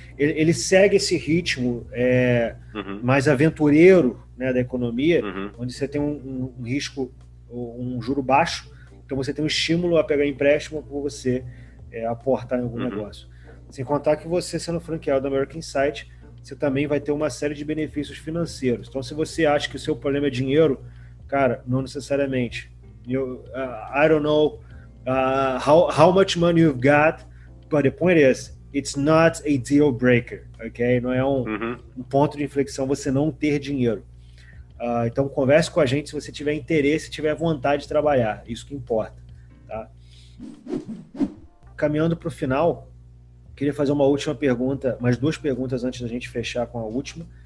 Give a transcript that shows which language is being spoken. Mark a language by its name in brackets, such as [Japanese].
[Portuguese] Ele segue esse ritmo mais aventureiro, né, da economia, onde você tem um risco, um juro baixo, então você tem um estímulo a pegar empréstimo para você aportar em algum negócio. Sem contar que você, sendo franqueado da American Insight, você também vai ter uma série de benefícios financeiros. Então, se você acha que o seu problema é dinheiro, cara, não necessariamente. [English] I don't know how much money you've got, but the point is, it's not a deal breaker, ok? [Portuguese] Não é um ponto de inflexão você não ter dinheiro. Então, converse com a gente se você tiver interesse, se tiver vontade de trabalhar, isso que importa, tá? Caminhando para o final, queria fazer uma última pergunta, mais duas perguntas antes da gente fechar com a última.